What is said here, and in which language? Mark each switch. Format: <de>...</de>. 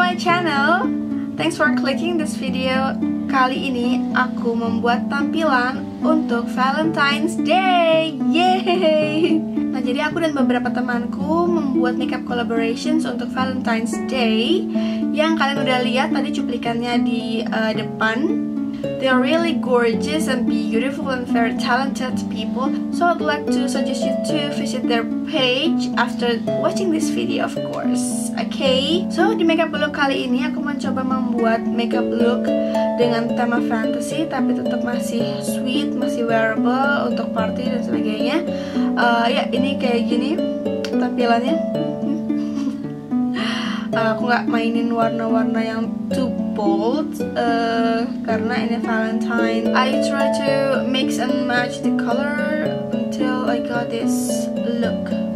<id>podcast video kali ini aku membuat tampilan untuk Valentine's Day. Yeay. Nah, jadi aku dan beberapa temanku membuat makeup collaborations untuk Valentine's Day yang kalian udah lihat tadi cuplikannya di depan.</id> <en>They are really gorgeous and beautiful and very talented people. So I'd like to suggest you to visit their page after watching this video, of course. Okay?</en> <id>So di makeup look kali ini aku mencoba membuat makeup look dengan tema fantasy, tapi tetap masih sweet, masih wearable untuk party dan sebagainya. Ya ini kayak gini tampilannya. Aku nggak mainin warna-warna yang</id> <en>too bold</en> <id>karena ini Valentine.</id> <en>I try to mix and match the color until I got this look.</en>